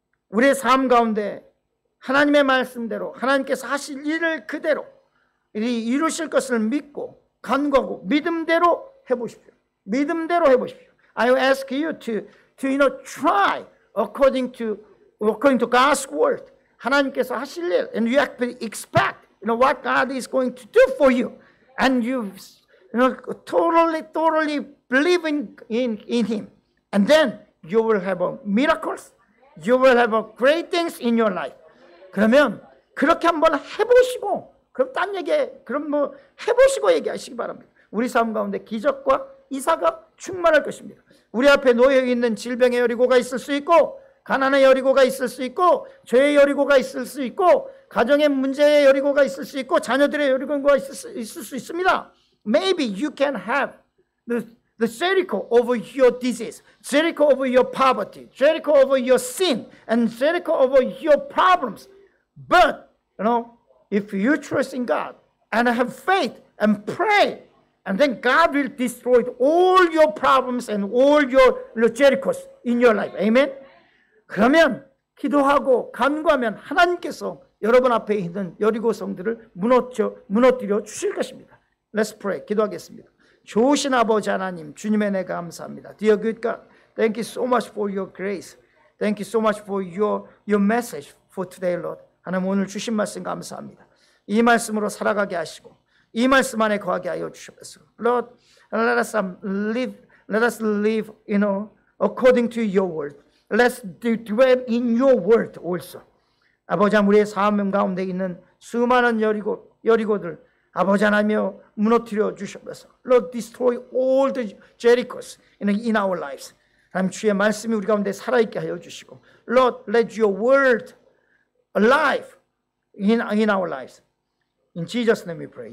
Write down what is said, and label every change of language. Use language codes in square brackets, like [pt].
[ko] 우리의 삶 가운데 하나님의 말씀대로 하나님께서 하실 일을 그대로 이루실 것을 믿고 간구하고 믿음대로 해보십시오. 믿음대로 해보십시오. [en] I ask you to try according to God's word. [ko] 하나님께서 하실 일 [en] and you have to expect. You know what God is going to do for you, and you totally believing in Him, and then you will have miracles, you will have great things in your life. [ko] 그러면 그렇게 한번 해보시고 그럼 딴 얘기 그럼 뭐 해보시고 얘기하시기 바랍니다. 우리 삶 가운데 기적과 이사가 충만할 것입니다. 우리 앞에 놓여 있는 질병의 여리고가 있을 수 있고 가난의 여리고가 있을 수 있고 죄의 여리고가 있을 수 있고 가정의 문제의 여리고가 있을 수 있고 자녀들의 여리고가 있을 수 있습니다. [en] Maybe you can have the Jericho over your disease, Jericho over your poverty, Jericho over your sin, and Jericho over your problems. But, you know, if you trust in God and have faith and pray, and then God will destroy all your problems and all your Jerichos in your life. Amen? [ko] 그러면 기도하고 간구하면 하나님께서 여러분 앞에 있는 여리고성들을 무너뜨려 주실 것입니다. [en] Let's pray. [ko] 기도하겠습니다. 좋으신 아버지 하나님, 주님의 내 감사합니다. [en] Dear good God, thank you so much for your grace. Thank you so much for your message for today, Lord. [ko] 하나님 오늘 주신 말씀 감사합니다. 이 말씀으로 살아가게 하시고 이 말씀 안에 거하게 하여 주셨소. [en] Lord, let us live, you know, according to your word. Let's dwell in your word also. [ko] 아버지 우리의 삶 가운데 있는 수많은 여리고들 아버지 하나님이여 무너뜨려 주셨소. [en] Lord, destroy all the Jerichos in our lives. [ko] 하나님 주의 말씀이 우리 가운데 살아있게 하여 주시고 [en] Lord, let your word alive in our lives. In Jesus' name we pray.